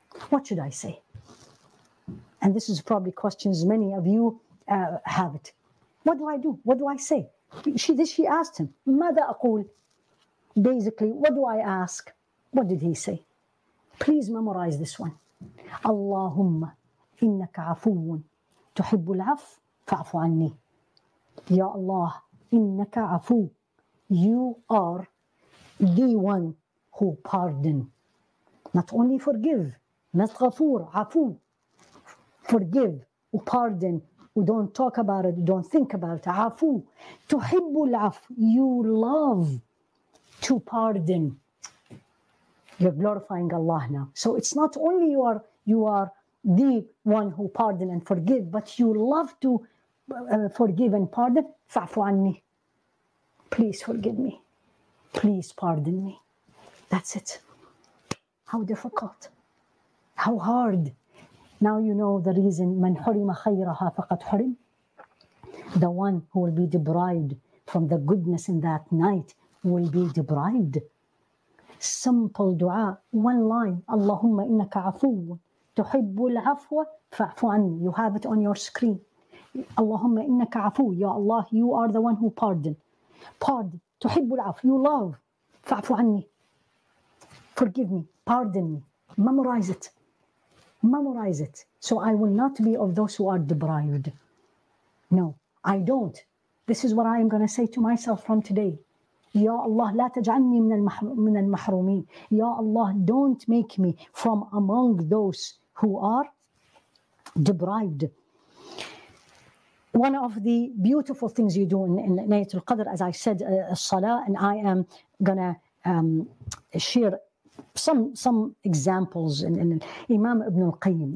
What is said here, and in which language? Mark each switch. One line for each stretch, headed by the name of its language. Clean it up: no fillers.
English: What should I say? And this is probably questions many of you have it. What do I do? What do I say? She asked him,
Arabic: ماذا أقول?
English: Basically, what do I ask? What did he say? Please memorize this one.
Arabic: اللهم إنك عفو تحب العف فعفو عني. يا الله إنك عفو.
English: You are the one who pardon. Not only forgive. Not غفور, عفو. Forgive, or pardon, or don't talk about it, don't think about it. عفو,
Arabic: تحب العف,
English: you love to pardon. You're glorifying Allah now. So it's not only you are the one who pardon and forgive, but you love to forgive and pardon.
Arabic: فعفو عني,
English: please forgive me, please pardon me. That's it. How difficult, how hard. Now you know the reason,
Arabic: مَنْ حُرِمَ خَيْرَهَا فَقَدْ حُرِمْ.
English: The one who will be deprived from the goodness in that night will be deprived. Simple dua, one line,
Arabic: اللَّهُمَّ إِنَّكَ عَفُوٌ تُحِبُّ الْعَفْوَ فَعْفُ عَنِّي.
English: You have it on your screen.
Arabic: اللَّهُمَّ إِنَّكَ عَفُوٌ.
English: Ya Allah, you are the one who pardon. Pardon.
Arabic: تُحِبُّ الْعَفْوَ.
English: You love.
Arabic: فَعْفُ عَنِّي.
English: Forgive me. Pardon me. Memorize it. Memorize it. So I will not be of those who are deprived. No, I don't. This is what I am going to say to myself from today.
Arabic: Ya Allah, لا تجعلني من المحرومين.
English: Ya Allah, don't make me from among those who are deprived. One of the beautiful things you do in Laylatul Qadr, as I said, Salah, and I am going to share some examples in Imam Ibn al-Qayyim.